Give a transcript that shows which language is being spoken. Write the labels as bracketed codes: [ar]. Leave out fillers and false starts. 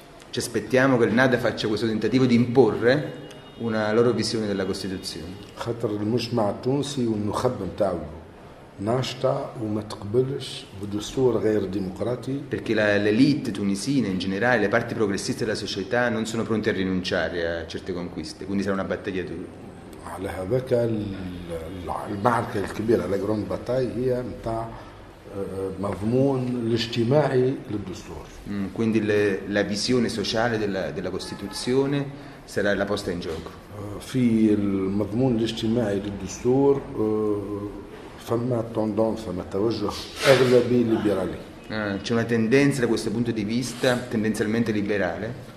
[it] Ci aspettiamo che il NADA faccia questo tentativo di imporre una loro visione della Costituzione. [ar] خاطر المجتمع التونسي والنخب نتاعو ناشطة وما تقبلش بدستور غير ديمقراطي. [it] Perché l'elite tunisina in generale, le parti progressiste della società non sono pronte a rinunciare a certe conquiste, quindi sarà una battaglia dura. [ar] على هذاك المعركة الكبيرة, [fr] la grande bataille, [ar] هي نتاع مضمون الاجتماعي للدستور. [it] Quindi la visione sociale della Costituzione sarà la posta in gioco. [ar] في المضمون الاجتماعي للدستور فما توندونس, فما توجه اغلبي ليبرالي. [it] C'è una tendenza da questo punto di vista tendenzialmente liberale.